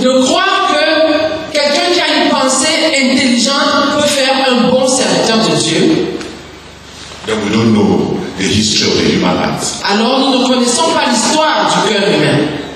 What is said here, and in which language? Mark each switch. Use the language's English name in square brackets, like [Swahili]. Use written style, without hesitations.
[French] De croire que quelqu'un qui a une pensée intelligente peut faire un bon serviteur de Dieu. [English] Then we don't know the history of the human heart. [French] Alors nous ne connaissons pas l'histoire du cœur humain.